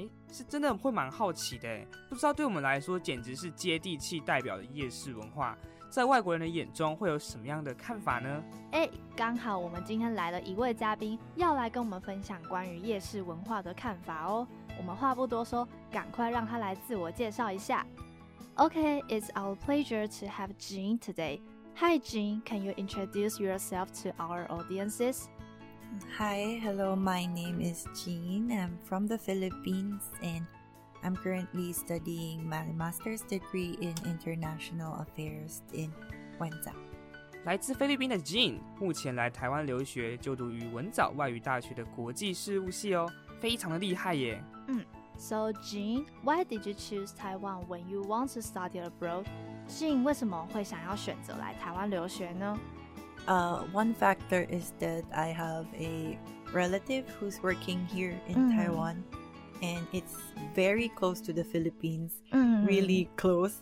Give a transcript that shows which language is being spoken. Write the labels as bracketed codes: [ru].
[zh] 是真的会蛮好奇的，不知道对我们来说简直是接地气代表的夜市文化，在外国人的眼中会有什么样的看法呢？刚好我们今天来了一位嘉宾，要来跟我们分享关于夜市文化的看法哦。我们话不多说，赶快让他来自我介绍一下。 [en] OK, it's our pleasure to have Jean today. Hi Jean, can you introduce yourself to our audiences? Hi, hello, my name is Jean. I'm from the Philippines andI'm currently studying my master's degree in international affairs in 文藻。 [zh] 来自菲律宾的 Jean 目前来台湾留学，就读于文藻外语大学的国际事务系哦，非常的厉害耶。 [en] So Jean, why did you choose Taiwan when you want to study abroad? [zh] Jean 为什么会想要选择来台湾留学呢？ [en] One factor is that I have a relative who's working here in Taiwan. And it's very close to the Philippines, really close.